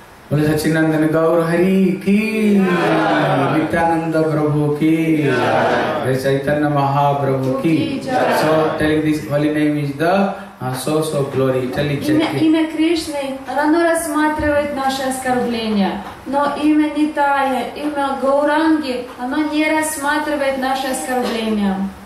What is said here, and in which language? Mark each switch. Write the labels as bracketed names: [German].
[Russian] Он сочинил на меня Гаур Хари Ки, Нитянанда Прабху Ки, Чайтанья Махапрабху Ки. [English] So telling this holy name is the source of glory. [Russian] Имя Кришны, оно рассматривает наши оскорбления. Но имя Нитая, имя Гауранги, оно не рассматривает наши оскорбления.